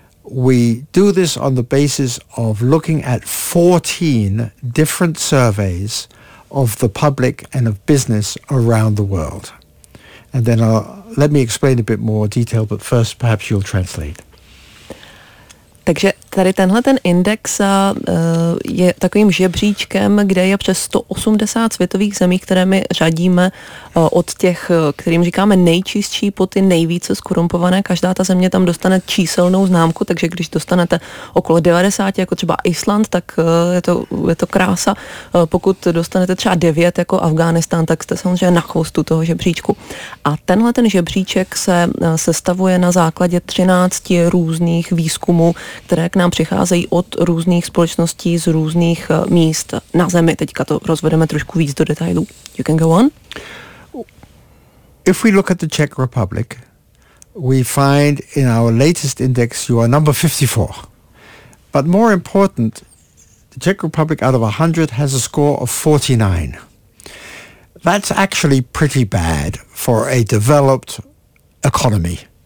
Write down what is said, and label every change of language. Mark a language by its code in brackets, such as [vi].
[en] We do this on the basis of looking at 14 different surveys of the public and of business around the world. And then let me explain a bit more detail, but first perhaps you'll translate. [cs] Takže tady tenhle ten index je takovým žebříčkem, kde je přes 180 světových zemí, které my řadíme od těch, kterým říkáme nejčistší, po ty nejvíce zkorumpované. Každá ta země tam dostane číselnou známku, takže když dostanete okolo 90, jako třeba Island, tak je to krása. Pokud dostanete třeba 9, jako Afghánistán, tak jste samozřejmě na chvostu toho žebříčku. A tenhle ten žebříček se sestavuje na základě 13 různých výzkumů, které k nám přicházejí od různých společností z různých míst na zemi. Teďka to rozvedeme trošku víc do detailů. [en] You can go on. If we look at the Czech Republic, we find in our latest index you are number 54. But more important, the Czech Republic out of 100 has a score of 49. That's actually pretty bad for a developed economy.